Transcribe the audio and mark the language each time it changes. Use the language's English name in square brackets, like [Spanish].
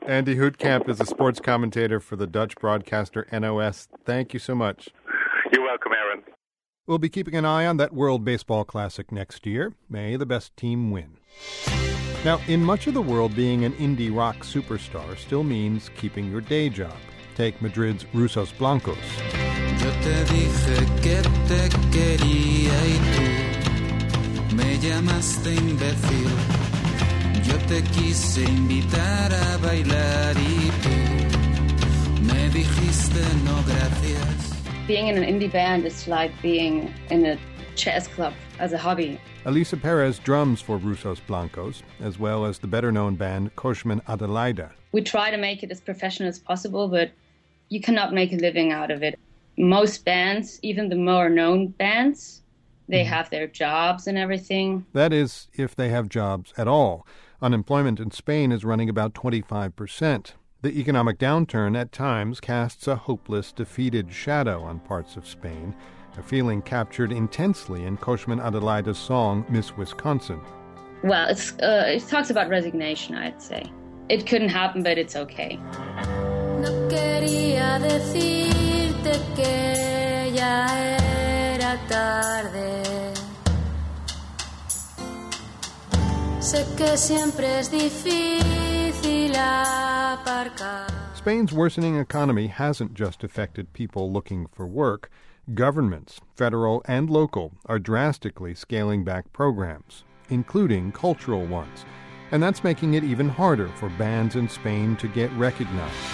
[English] Andy Houtkamp is a sports commentator for the Dutch broadcaster NOS. Thank you so much. You're welcome, Aaron. We'll be keeping an eye on that World Baseball Classic next year. May the best team win. Now, in much of the world, being an indie rock superstar still means keeping your day job. Take Madrid's Rusos Blancos. [Spanish] Yo te dije que te quería y tú me llamaste imbécil. Yo te quise invitar a bailar y tú me dijiste no gracias. [English] Being in an indie band is like being in a chess club as a hobby. Elisa Perez drums for Russos Blancos, as well as the better-known band Koshman Adelaida. We try to make it as professional as possible, but you cannot make a living out of it. Most bands, even the more known bands, they have their jobs and everything. That is, if they have jobs at all. Unemployment in Spain is running about 25%. The economic downturn at times casts a hopeless, defeated shadow on parts of Spain, a feeling captured intensely in Koshman Adelaida's song, Miss Wisconsin. Well, it talks about resignation, I'd say. It couldn't happen, but it's okay. [Spanish] No quería decirte que ya era tarde. Sé que siempre es difícil aparcar. [English] Spain's worsening economy hasn't just affected people looking for work. Governments, federal and local, are drastically scaling back programs, including cultural ones. And that's making it even harder for bands in Spain to get recognized.